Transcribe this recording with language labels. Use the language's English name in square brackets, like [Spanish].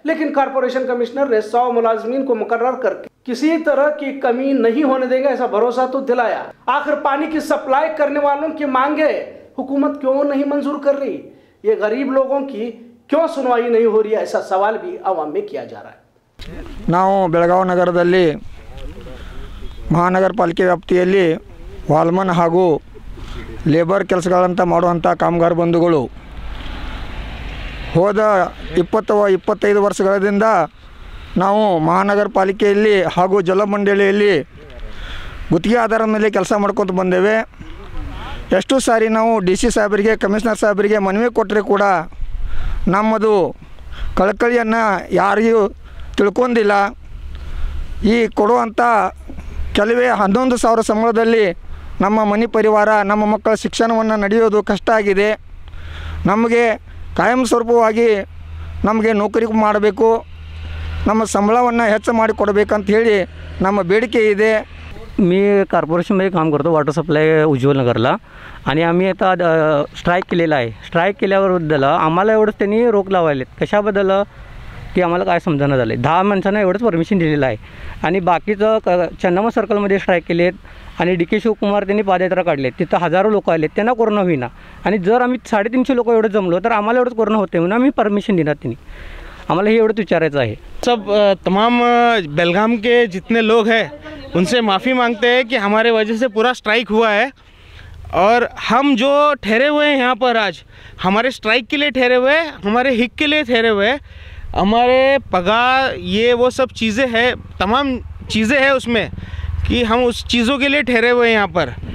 [Hindi] लेकिन corporation commissioner ने 100 मुलाजमीन को मुकर्रर करके किसी तरह की कमी नहीं होने देंगे ऐसा भरोसा तो दिलाया। आखिर पानी की सप्लाई करने वालों की मांगे हुकूमत क्यों नहीं मंजूर कर रही, ये गरीब लोगों की क्यों सुनवाई नहीं हो रही, ऐसा सवाल भी आवाम में किया जा रहा है। [Kannada] ನಾವು ಬೆಳಗಾವಿ ನಗರದಲ್ಲಿ ಮಹಾನಗರಪಾಲಿಕೆ ವ್ಯಾಪ್ತಿಯಲ್ಲಿ ವಾಲ್ಮನ್ ಹಾಗೂ ಲೇಬರ್ ಕೆಲಸಗಳಂತ ಮಾಡುವಂಥ ಕಾಮಗಾರ ಬಂಧುಗಳು ಹೋದ 20-25 ವರ್ಷಗಳಿಂದ ನಾವು ಮಹಾನಗರಪಾಲಿಕೆಯಲ್ಲಿ ಹಾಗೂ ಜಲಮಂಡಳಿಯಲ್ಲಿ ಗುತ್ತಿಗೆ ಆಧಾರದ ಮೇಲೆ ಕೆಲಸ ಮಾಡ್ಕೊತ ಬಂದೇವೆ. ಎಷ್ಟು ಸಾರಿ ನಾವು DC ಸಾಹೇಬರಿಗೆ ಕಮಿಷನರ್ ಸಾಹೇಬರಿಗೆ ಮನವಿ ಕೊಟ್ಟರೆ ಕೂಡ ನಮ್ಮದು ಕಳಕಳಿಯನ್ನು ಯಾರಿಗೂ ತಿಳ್ಕೊಂಡಿಲ್ಲ. ಈ ಕೊಡುವಂಥ ಕೆಲವೇ 11,000 ಸಂಬಳದಲ್ಲಿ ನಮ್ಮ ಮನೆ ಪರಿವಾರ ನಮ್ಮ ಮಕ್ಕಳ ಶಿಕ್ಷಣವನ್ನು ನಡೆಯೋದು ಕಷ್ಟ ಆಗಿದೆ. ನಮಗೆ ಕಾಯಂ ಸ್ವರೂಪವಾಗಿ ನಮಗೆ ನೌಕರಿ ಮಾಡಬೇಕು, ನಮ್ಮ ಸಂಬಳವನ್ನು ಹೆಚ್ಚು ಮಾಡಿ ಕೊಡಬೇಕಂತ ಹೇಳಿ ನಮ್ಮ ಬೇಡಿಕೆ ಇದೆ. [Marathi] मी कॉर्पोरेशन मध्ये काम करतो वॉटर सप्लाय उज्ज्वल नगरला, आणि आम्ही आता स्ट्राईक केलेला आहे. स्ट्राईक केल्याबद्दल आम्हाला एवढंच त्यांनी रोक लावायलेत कशाबद्दल की आम्हाला काय समजणं झालं आहे. 10 माणसांना एवढंच परमिशन दिलेलं आहे आणि बाकीचं चंदमा सर्कलमध्ये स्ट्राईक केले आहेत आणि DK शिवकुमार त्यांनी पादयात्रा काढले आहेत. तिथं 1,000 लोकं आले, त्यांना कोरोना होईना. आणि जर आम्ही 350 लोकं एवढं जमलो तर आम्हाला एवढंच कोरोना होते म्हणून आम्ही परमिशन देणार त्यांनी. आम्हाला हे एवढंच विचारायचं आहे. [Hindi] सब तमाम बेलगाम के जितने लोग है उनसे माफ़ी मांगते हैं कि हमारे वजह से पूरा स्ट्राइक हुआ है. और हम जो ठहरे हुए हैं यहाँ पर आज, हमारे स्ट्राइक के लिए ठहरे हुए, हमारे हित के लिए ठहरे हुए, हमारे पगार ये वो सब चीज़ें हैं, तमाम चीज़ें हैं उसमें कि हम उस चीज़ों के लिए ठहरे हुए हैं यहाँ पर.